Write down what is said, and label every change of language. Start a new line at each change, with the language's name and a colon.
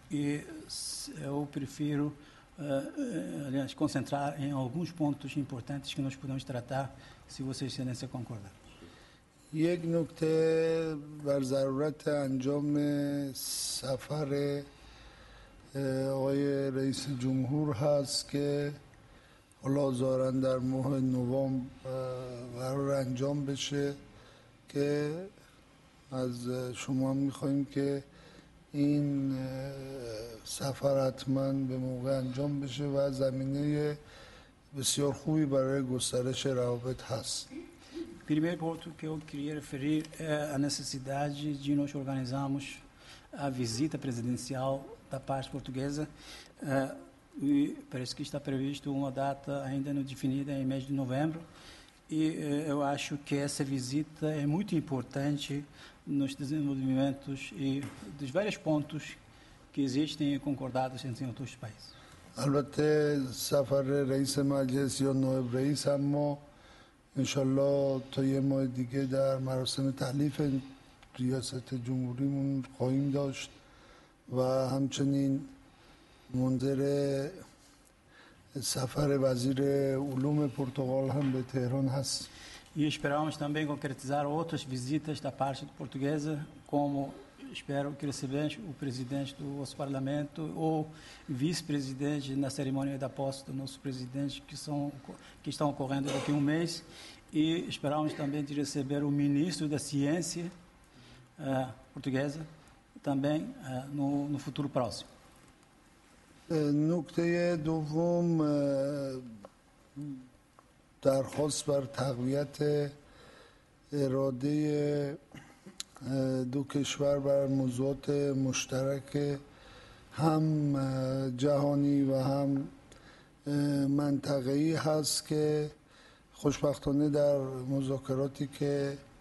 Portuguese: E eu prefiro, aliás, concentrar em alguns pontos importantes que nós podemos tratar, se Vossa Excelência concordar.
Persian: یک نکته بر ضرورت انجام سفر آقای رئیس جمهور هست که حالا زارن در ماه نوام قرار انجام بشه که از شما میخواییم که این سفر حتما به موقع انجام بشه و زمینه بسیار خوبی برای گسترش روابط هست.
Portuguese: Primeiro ponto que eu queria referir é a necessidade de nós organizarmos a visita presidencial da parte portuguesa. E parece que está previsto uma data ainda não definida, em mês de novembro. E eu acho que essa visita é muito importante nos desenvolvimentos e dos vários pontos que existem e concordados entre outros países. Albatê, Safar, Reis, Majes, Yonoev, Reis, Amo...
Persian: انشالله تا یه ماه دیگه در مراسم تحلیف ریاست جمهوریمون خواهیم داشت و همچنین منظر سفر وزیر علوم پرتغال هم به تهران هست.
Portuguese: E esperamos também concretizar outras visitas da parte portuguesa, como espero que recebamos o presidente do nosso parlamento ou vice-presidente na cerimônia da posse do nosso presidente, que estão ocorrendo daqui a um mês. E esperamos também de receber o ministro da ciência portuguesa também no futuro próximo. No que tem a segunda
Persian: درخواست بر تقویت اراده دو کشور بر موضوعات مشترک هم جهانی و هم منطقه‌ای هست که خوشبختانه در مذاکراتی که